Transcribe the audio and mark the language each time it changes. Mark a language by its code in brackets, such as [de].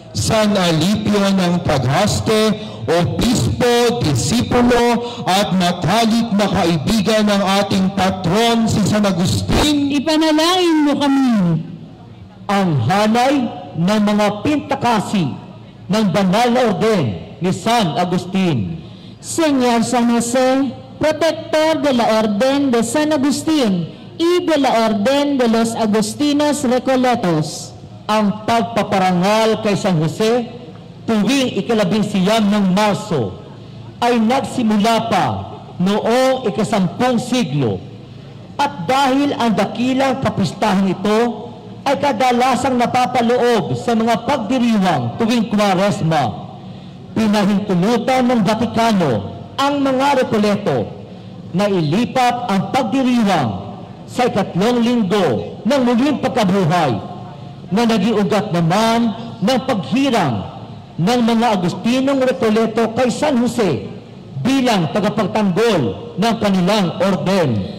[tl] San Alipio ng Tagaste, obispo, disipulo at matalik na kaibigan ng ating patron si San Agustin, ipanalangin mo kami. Ang hanay ng mga pintakasi ng banal na orden ni San Agustin. [es] Señor San Jose, protector de la orden de San Agustin y de la orden de los Agustinos Recoletos. [tl] Ang pagpaparangal kay San Jose tuwing 19 ng Marso ay nagsimula pa noong [en] 10th century. [tl] At dahil ang dakilang kapistahan ito ay kadalasang napapaloob sa mga pagdiriwang tuwing Kwaresma, pinahintulutan ng Vatikano ang mga Recoleto na ilipat ang pagdiriwang sa 3rd linggo ng muling pagkabuhay na naging ugat naman ng paghirang ng mga Agustinong Recoleto kay San Jose bilang tagapagtanggol ng kanilang orden.